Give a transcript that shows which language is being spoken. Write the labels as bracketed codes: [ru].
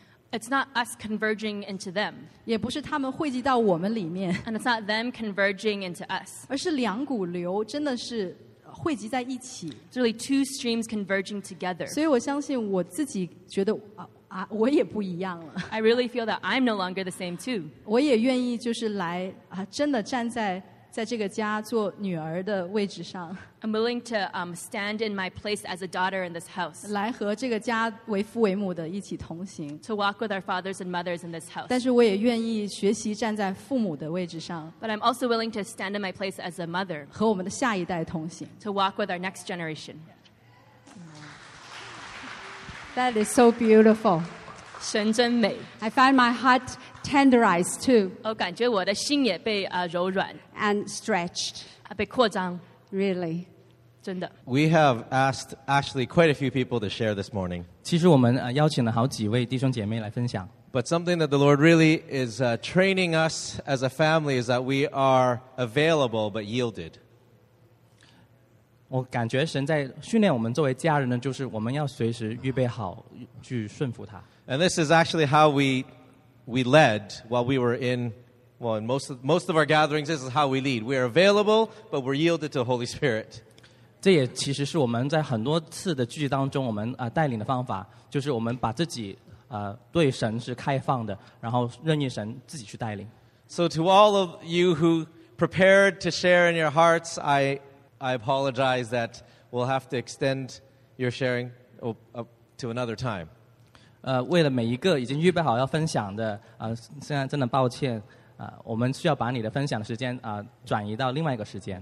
[en] It's not us converging into them. [zh] 也不是他们汇集到我们里面。 [en] And it's not them converging into us. [zh] 而是两股流真的是。汇集在一起, [en] really two streams converging together. [zh] 所以我相信我自己觉得我也不一样了。 [en] I really feel that I'm no longer the same too. [zh] 我也愿意就是来真的站在这个家做女儿的位置上。 [en] I'm willing to stand in my place as a daughter in this house. [zh] 来和这个家为父为母的一起同行。 [en] To walk with our fathers and mothers in this house. [zh] 但是我也愿意学习站在父母的位置上。But [en] I'm also willing to stand in my place as a mother. [zh] 和我们的下一代同行。 [en] To walk with our next generation. That is so beautiful. [zh] 神真美。 [en] I find my heart tenderized too. [zh] 我感觉我的心也被柔软 [en] and stretched. [zh] 被扩张 [en] really. [zh] 真的 [en] we have asked actually quite a few people to share this morning. [zh] 其实我们邀请了好几位弟兄姐妹来分享。 [en] But something that the Lord really is training us as a family is that we are available but yielded. [zh] 我感觉神在训练我们作为家人呢，就是我们要随时预备好去顺服他。 [en] And this is actually how we led while we were in. Well, in most of our gatherings, this is how we lead. We are available, but we're yielded to the Holy Spirit. [zh] 这也其实是我们在很多次的聚集当中，我们带领的方法，就是我们把自己对神是开放的，然后任意神自己去带领。 [en] So to all of you who prepared to share in your hearts, I apologize that we'll have to extend your sharing to another time. [zh] 为了每一个已经预备好要分享的现在真的抱歉。我们需要把你的分享的时间转移到另外一个时间。